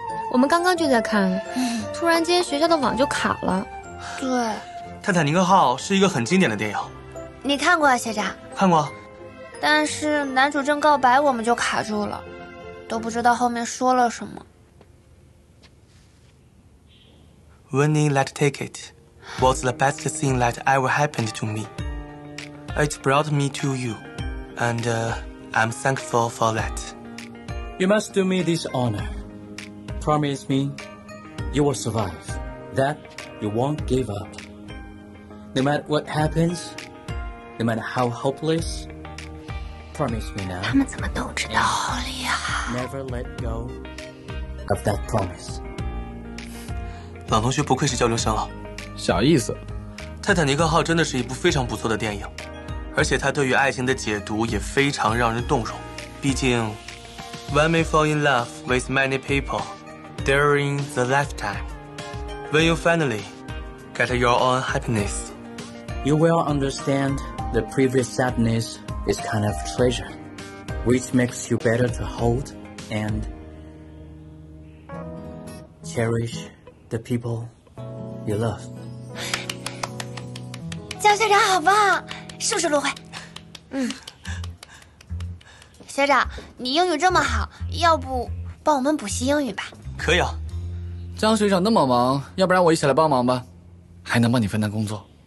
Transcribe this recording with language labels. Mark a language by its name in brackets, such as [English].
[Chinese] 我们刚刚就在看。突然间学校的网就卡了。对， 《泰坦尼克号》是一个很经典的电影。你看过啊，学长？看过。但是男主正告白，我们就卡住了，都不知道后面说了什么。 [English] Winning that ticket was the best thing that ever happened to me. It brought me to you, and I'm thankful for that. You must do me this honor. Promise me you will survive, that you won't give up. No matter what happens, no matter how hopeless, promise me now. [Chinese] 他们怎么都知道？好厉害！ [English] Never let go of that promise. [Chinese] 朗同学不愧是交流生啊，小意思。泰坦尼克号真的是一部非常不错的电影，而且他对于爱情的解读也非常让人动容。毕竟 [English] One may fall in love with many people during the lifetime. When you finally get your own happiness, you will understand the previous sadness is kind of treasure, which makes you better to hold and cherish. The people you love. [Chinese] 江学长好棒，是不是陆慧？嗯。学长，你英语这么好，要不帮我们补习英语吧？可以啊。江学长那么忙，要不然我一起来帮忙吧，还能帮你分担工作。